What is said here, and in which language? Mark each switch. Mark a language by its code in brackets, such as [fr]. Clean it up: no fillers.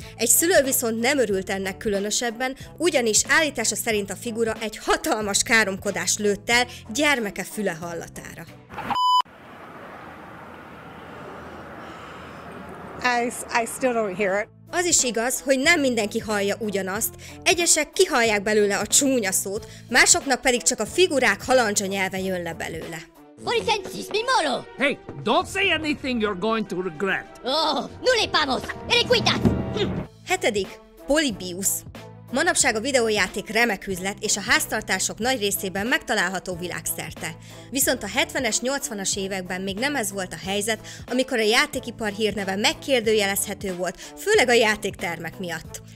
[hu] Egy szülő viszont nem örült ennek különösebben, ugyanis állítása szerint a figura egy hatalmas káromkodást lőtt el gyermeke füle hallatára. [en] I still don't hear it. [hu] Az is igaz, hogy nem mindenki hallja ugyanazt, egyesek kihallják belőle a csúnya szót, másoknak pedig csak a figurák halandzsa nyelve jön le belőle. [en] What is that, this mimoro? Hey, don't say anything you're going to regret. Oh, no le pamos, eliquitas! [hu] 7. Polybius. Manapság a videójáték remek üzlet, és a háztartások nagy részében megtalálható világszerte. Viszont a 70-es, 80-as években még nem ez volt a helyzet, amikor a játékipar hírneve megkérdőjelezhető volt, főleg a játéktermek miatt.